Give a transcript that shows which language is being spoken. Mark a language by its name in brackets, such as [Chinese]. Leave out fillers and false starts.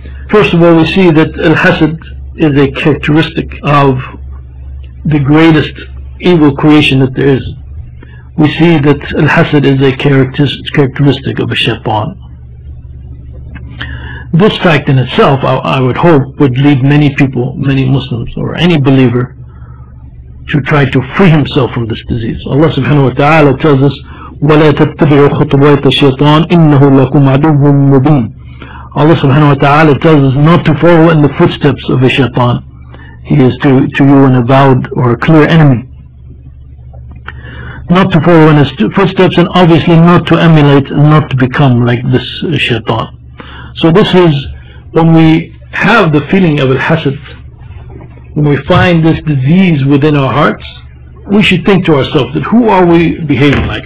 [English] First of all, we see that al-hasad is a characteristic of the greatest evil creation that there is. We see that al-hasad is a characteristic of a shaitan. This fact in itself, I would hope, would lead many people, many Muslims or any believer, to try to free himself from this disease. Allah subhanahu wa ta'ala tells us, [Arabic] وَلَا تَتَّبِعُوا خُطُوَاتَ الشَّيْطَانِ إِنَّهُ لَكُمْ عَدُوٌّ مُّبِينٌ. [English] Allah subhanahu wa ta'ala tells us not to follow in the footsteps of a shaitan. He is to you an avowed or a clear enemy. Not to follow in his footsteps, and obviously not to emulate and not to become like this shaitan. So this is when we have the feeling of al-hasad, when we find this disease within our hearts, we should think to ourselves that who are we behaving like?